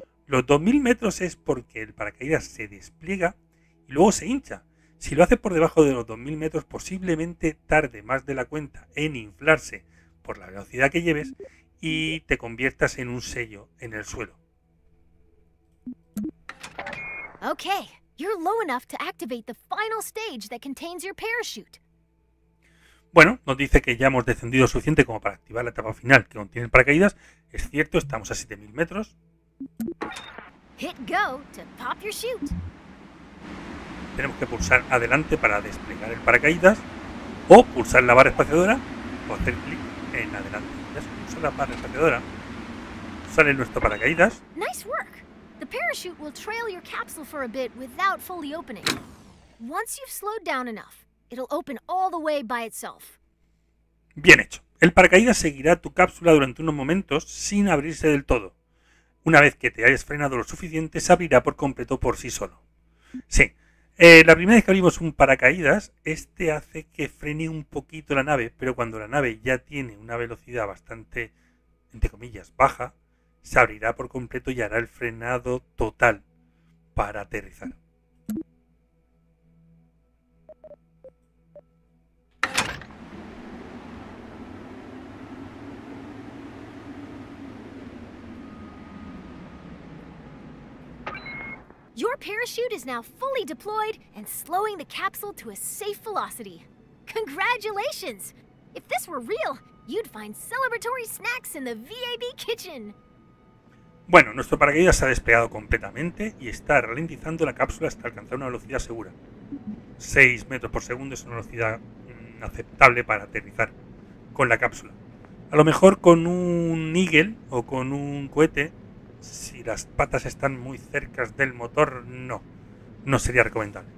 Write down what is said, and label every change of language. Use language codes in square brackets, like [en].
[es] Los 2.000 metros es porque el paracaídas se despliega y luego se hincha. Si lo hace por debajo de los 2.000 metros, posiblemente tarde más de la cuenta en inflarse por la velocidad que lleves y te conviertas en un sello en el suelo. [en] Okay, you're low enough to activate the final stage that contains your parachute. [es] Bueno, nos dice que ya hemos descendido suficiente como para activar la etapa final que contiene el paracaídas. Es cierto, estamos a 7000 metros. [en] Hit go to pop your chute. [es] Tenemos que pulsar adelante para desplegar el paracaídas o pulsar la barra espaciadora o hacer clic en adelante. Sale nuestro paracaídas. [en] Nice work. The parachute will trail your capsule for a bit without fully opening. Once you've slowed down enough, it'll open all the way by itself. [es] Bien hecho. El paracaídas seguirá tu cápsula durante unos momentos sin abrirse del todo. Una vez que te hayas frenado lo suficiente, se abrirá por completo por sí solo. Sí. La primera vez que abrimos un paracaídas, este hace que frene un poquito la nave, pero cuando la nave ya tiene una velocidad bastante, entre comillas, baja, se abrirá por completo y hará el frenado total para aterrizar. [en] Your parachute is now fully deployed and slowing the capsule to a safe velocity. Congratulations! If this were real, you'd find celebratory snacks in the VAB kitchen. [es] Bueno, nuestro paracaídas se ha despegado completamente y está ralentizando la cápsula hasta alcanzar una velocidad segura. 6 metros por segundo es una velocidad aceptable para aterrizar. con la cápsula. A lo mejor con un Eagle o con un cohete, si las patas están muy cerca del motor, no. No sería recomendable.